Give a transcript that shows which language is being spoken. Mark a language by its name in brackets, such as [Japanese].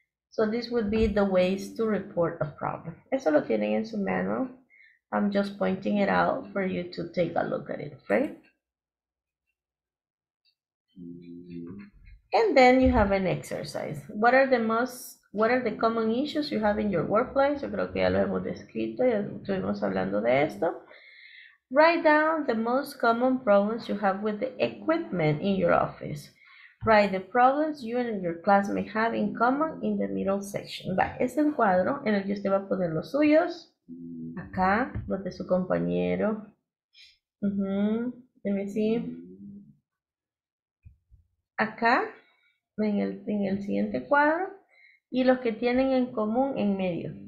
[English] So this would be the ways to report a problem. [Spanish] Eso lo tienen en su manual. [English] I'm just pointing it out for you to take a look at it, right? And then you have an exercise. What are the common issues you have in your workplace? [Spanish] Yo creo que ya lo hemos descrito, ya estuvimos hablando de esto. [English] Write down the most common problems you have with the equipment in your office. Write the problems you and your class may have in common in the middle section. [Spanish] Va, es el cuadro en el que usted va a poner los suyos. Acá, los de su compañero. [English] Let me see. [Spanish] Acá, en el siguiente cuadro. Y los que tienen en común en medio.